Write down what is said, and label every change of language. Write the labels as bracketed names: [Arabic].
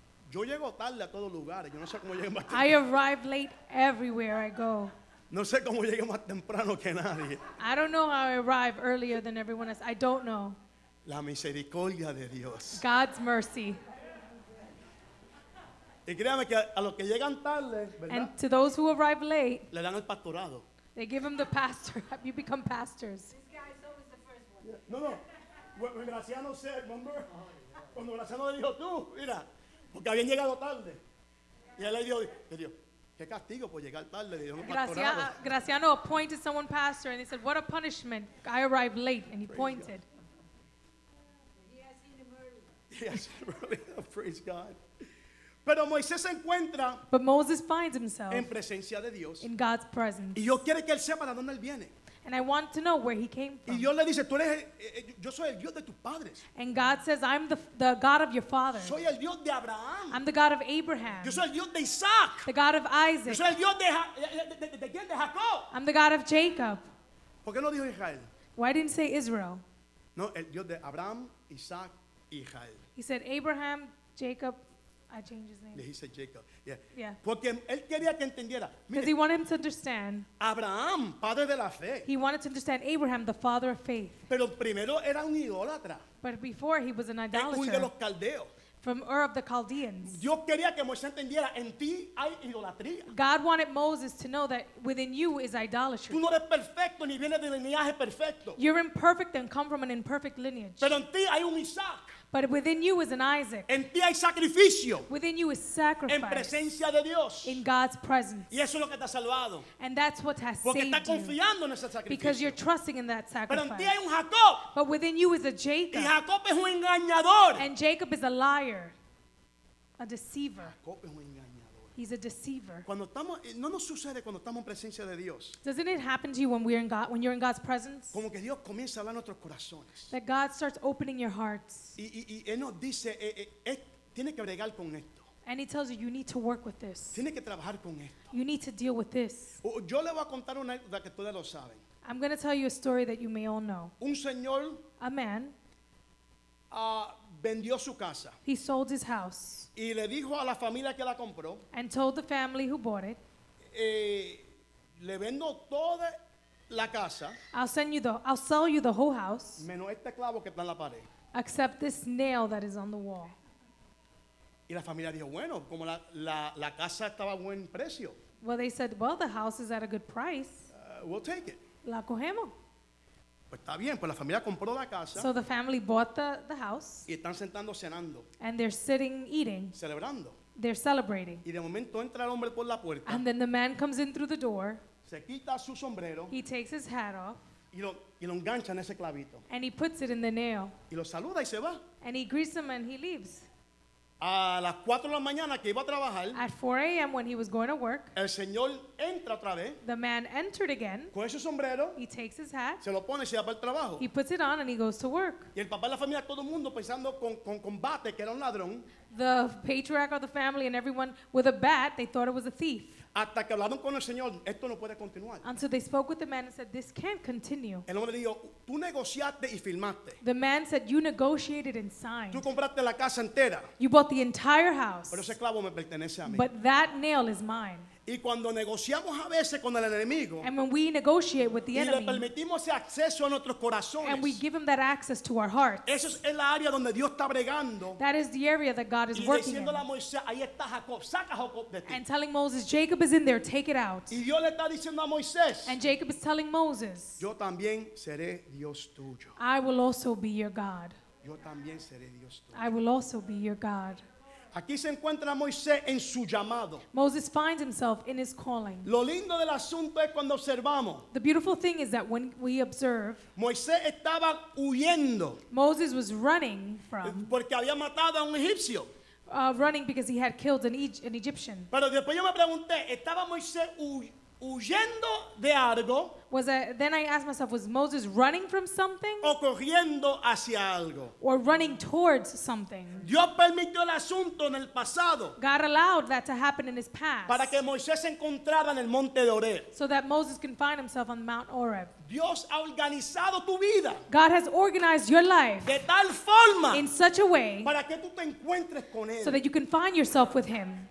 [Spanish] Yo llego tarde a todos lugares. Yo no sé cómo llegué más temprano. [English] I arrive late everywhere I go. [Spanish] No sé cómo llegué más temprano que nadie. [English] I don't know how I arrive earlier than everyone else. I don't know. [Spanish] La misericordia de Dios. [English] God's mercy. [Spanish] Y créame que a los que llegan tarde, ¿verdad? [English] And to those who arrive late, [Spanish] le dan el pastorado. [English] They give them the pastor. You become pastors. This guy's always the first one. Yeah. No, no. When Graciano said, remember? [Spanish] Cuando Graciano le dijo tú, mira. Porque habían llegado tarde. Y él le dijo, qué castigo por llegar tarde. [English] Graciano pointed someone pastor and he said, what a punishment. I arrived late. And he praise pointed. God. He has seen him early. He has seen him early. Praise God. [Spanish] Pero Moisés se encuentra, [English] but Moses finds himself [Spanish] en presencia de Dios, [English] in God's presence. [Spanish] Y Dios quiere que él sepa de dónde él viene. [English] And I want to know where he came from. [Spanish] Y Dios le dice, tú eres, yo soy el Dios de tus padres. [English] And God says, I'm the God of your father. [Spanish] Soy el Dios de Abraham. [English] I'm the God of Abraham. [Spanish] Yo soy el Dios de Isaac. [English] The God of Isaac. [Spanish] Yo soy el Dios de Jacob. [English] I'm the God of Jacob. [Spanish] ¿Por qué no dijo Israel? [English] Why didn't he say Israel? [Spanish] No, el Dios de Abraham, Isaac, Israel. [English] He said Abraham, Jacob. I changed his name. He said Jacob. Yeah. Yeah. [Spanish] Porque él quería que entendiera. [English] Because he wanted him to understand. [Spanish] Abraham, padre de la fe. [English] He wanted to understand Abraham, the father of faith. [Spanish] Pero primero era un idólatra. [English] But before he was an idolater. [Spanish] De los caldeos. [English] From Ur of the Chaldeans. [Spanish] Dios quería que Moisés entendiera, en ti hay idolatría. [English] God wanted Moses to know that within you is idolatry. [Spanish] Tú no eres perfecto, ni vienes de linaje perfecto. [English] You're imperfect and come from an imperfect lineage. [Spanish] Pero en ti hay un Isaac. [English] But within you is an Isaac. [Spanish] En ti hay sacrificio. [English] Within you is sacrifice. [Spanish] En presencia de Dios. [English] In God's presence. [Spanish] Y eso es lo que te ha salvado. [English] And that's what has [Spanish] porque [English] saved [Spanish] está confiando [English] you. [Spanish] En ese sacrificio. [English] Because you're trusting in that sacrifice. [Spanish] Pero en ti hay un Jacob. [English] But within you is a Jacob. [Spanish] Y Jacob es un engañador. [English] And Jacob is a liar. A deceiver. [Spanish] Jacob es un engañador. [English] He's a deceiver. [Spanish] Cuando estamos, no nos sucede cuando estamos en presencia de Dios. [English] Doesn't it happen to you when we're in God, when you're in God's presence? [Spanish] Como que Dios comienza a hablar nuestros corazones. [English] That God starts opening your hearts. [Spanish] Y él nos dice, tiene que bregar con esto. [English] And he tells you, you need to work with this. [Spanish] Tiene que trabajar con esto. [English] You need to deal with this. [Spanish] Yo le voy a contar una anécdota que todos lo saben. [English] I'm going to tell you a story that you may all know. [Spanish] Un señor, [English] a man, [Spanish] vendió su casa. [English] He sold his house. [Spanish] Y le dijo a la familia que la compró. [English] And told the family who bought it. [Spanish] Le vendo toda la casa. [English] I'll sell you the whole house. [Spanish] Menos este clavo que está en la pared. [English] Except this nail that is on the wall. [Spanish] Y la familia dijo, bueno, como la casa estaba a buen precio. [English] Well, they said, well, the house is at a good price. We'll take it. [Spanish] La cogemos. Pues está bien, pues la familia compró la casa. [English] So the family bought the house. [Spanish] Y están sentando cenando. [English] And they're sitting eating. [Spanish] Celebrando. [English] They're celebrating. [Spanish] Y de momento entra el hombre por la puerta. [English] And then the man comes in through the door. [Spanish] Se quita su sombrero. [English] He takes his hat off. [Spanish] Y lo engancha en ese clavito. [English] And he puts it in the nail. [Spanish] Y lo saluda y se va. [English] And he greets him and he leaves. [Spanish] A las 4 de la mañana que iba a trabajar. [English] At 4 a.m. when he was going to work. [Spanish] El señor entra otra vez. [English] The man entered again. [Spanish] Coge su sombrero. [English] He takes his hat. [Spanish] Se lo pone y se va para el trabajo. [English] He puts it on and he goes to work. [Spanish] Y el papá de la familia, todo el mundo pensando con combate que era un ladrón. [English] The patriarch of the family and everyone with a bat, they thought it was a thief. [Spanish] Hasta que hablaron con el señor, esto no puede continuar. [English] Until they spoke with the man and said, this can't continue. [Spanish] El hombre dijo, tú negociaste y firmaste. [English] The man said, you negotiated and signed. [Spanish] Tú compraste la casa entera. [English] You bought the entire house. [Spanish] Pero ese clavo me pertenece a mí. [English] But that nail is mine. [Spanish] Y cuando negociamos a veces con el enemigo, [English] and when we negotiate with the [Spanish] y [English] enemy, [Spanish] le permitimos ese acceso a nuestros corazones, [English] and we give him that access to our hearts, [Spanish] esa es el área donde Dios está bregando, [English] that is the area that God is working in. [Spanish] Y diciéndole a Moisés, ahí está Jacob, saca Jacob de ti. [English] And telling Moses, Jacob is in there, take it out. [Spanish] Y Dios le está diciendo a Moisés, [English] and Jacob is telling Moses, [Spanish] yo también seré Dios tuyo. [English] I will also be your God. [Spanish] Yo también seré Dios tuyo. [English] I will also be your God. [Spanish] Aquí se encuentra Moisés en su llamado. [English] Moses finds himself in his calling. [Spanish] Lo lindo del asunto es cuando observamos. [English] The beautiful thing is that when we observe. [Spanish] Moisés estaba huyendo. [English] Moses was running from. [Spanish] Porque había matado a un egipcio. [English] Running because he had killed an Egyptian. [Spanish] Pero después yo me pregunté, ¿estaba Moisés huyendo de algo? [English] Then I asked myself, was Moses running from something? [Spanish] O corriendo hacia algo. [English] Or running towards something? [Spanish] Dios permitió el asunto en el pasado. [English] God allowed that to happen in his past. [Spanish] Para que Moisés se encontrara en el monte de Oreb. [English] So that Moses can find himself on Mount Oreb. [Spanish] Dios ha organizado tu vida. [English] God has organized your life. [Spanish] De tal forma. [English] In such a way. [Spanish] Para que tú te encuentres con él. [English] So that you can find yourself with him.